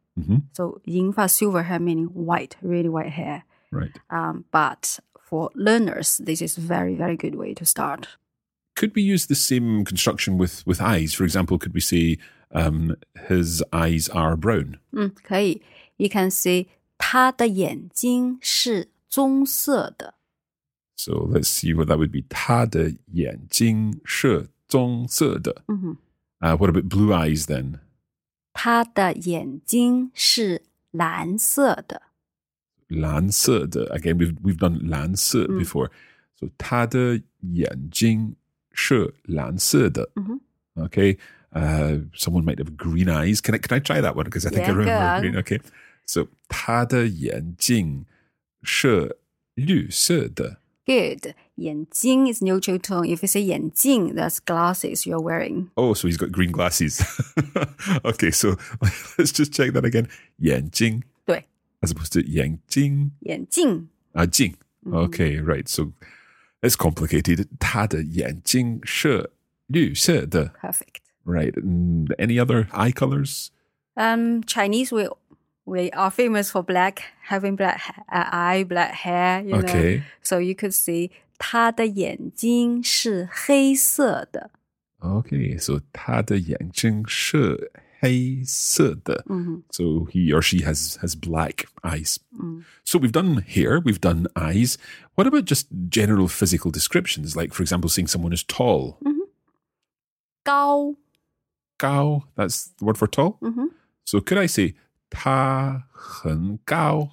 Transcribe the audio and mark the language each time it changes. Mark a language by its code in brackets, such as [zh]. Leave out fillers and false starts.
[en] Mm-hmm. So 银发, silver hair, meaning white, really white hair. Right. But for learners, this is a very, very good way to start. Could we use the same construction with eyes? For example, could we say his eyes are brown? [zh] 可以. [en] You can say [zh] 他的眼睛是棕色的. [en] So let's see what that would be. [zh] 他的眼睛是棕色的. [en] What about blue eyes then? [zh] 他的眼睛是蓝色的. 蓝色的. [en] Again, we've done 蓝色 before. [zh] So 他的眼睛是蓝色的. [en] Okay. Someone might have green eyes. Can I try that one? Because I think I remember green. Okay. [zh] So 他的眼睛是绿色的. [en] Good. 眼睛 is neutral tone. If you say 眼镜, that's glasses you're wearing. Oh, so he's got green glasses. Okay, so let's just check that again. [zh] 眼镜. 对. [en] As opposed to 眼镜. [zh] 眼镜. [en] 啊,镜.Okay, right. So it's complicated. [zh] 他的眼睛是绿色的. [en] Perfect. Right. Any other eye colors? Chinese, we are famous for black, having black eye, black hair. You know? Okay. So you could say [zh] 他的眼睛是黑色的. Okay, so 他的眼睛是黑色的. Mm-hmm. [en] So he or she has black eyes. Mm. So we've done hair, we've done eyes. What about just general physical descriptions? Like, for example, seeing someone as tall. Mm-hmm. 高. 高, that's the word for tall. Mm-hmm. So could I say [zh] 他很高?